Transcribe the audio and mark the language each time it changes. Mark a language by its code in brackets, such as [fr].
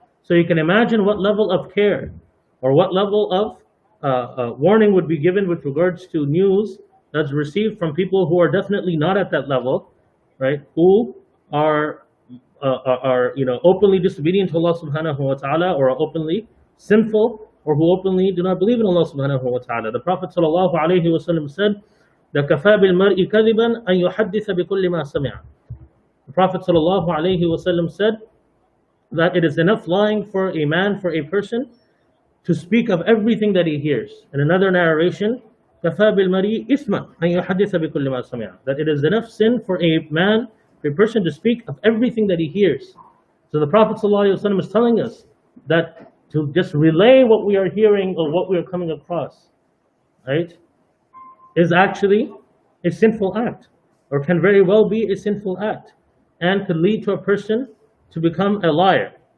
[en] So you can imagine what level of care or what level of warning would be given with regards to news that's received from people who are definitely not at that level, right? Who are openly disobedient to Allah subhanahu wa ta'ala or are openly sinful or who openly do not believe in Allah subhanahu wa ta'ala. The Prophet sallallahu alayhi wa sallam said, [ar] لَكَفَى بِالْمَرْءِ كَذِبًا أَن يُحَدِّثَ بِكُلِّ مَا سَمِعَ. [en] The Prophet sallallahu alayhi wa sallam said that it is enough lying for a man, for a person, to speak of everything that he hears. In another narration, [ar] كَفَى بِالْمَرْءِ إِثْمًا أَن يُحَدِّثَ بِكُلِّ مَا سَمِعَ. [en] That it is enough sin for a man, for a person, to speak of everything that he hears. So the Prophet sallallahu alayhi wa sallam is telling us that to just relay what we are hearing or what we are coming across, right, is actually a sinful act, or can very well be a sinful act, and could lead to a person to become a liar.